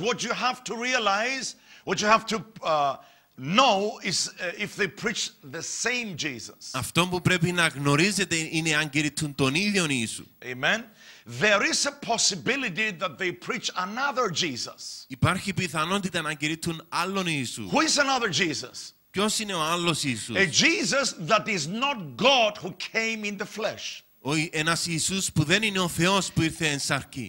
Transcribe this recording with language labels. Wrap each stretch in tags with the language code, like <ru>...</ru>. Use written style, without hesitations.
<en>What you have to realize, what you have to know is if they preach the same Jesus.</en> <el>Αυτό που πρέπει να γνωρίζετε είναι αν κηρυττούν τον ίδιο Ιησού.</el> <en>Amen. There is a possibility that they preach another Jesus.</en> <el>Υπάρχει πιθανότητα να κηρύττουν άλλον Ιησού.</el> <en>Who is another Jesus?</en> <el>Ποιος είναι ο άλλος Ιησούς?</el> <en>A Jesus that is not God who came in the flesh.</en> <el>Ένας Ιησούς που δεν είναι ο Θεός που ήρθε εν σάρκη.</el>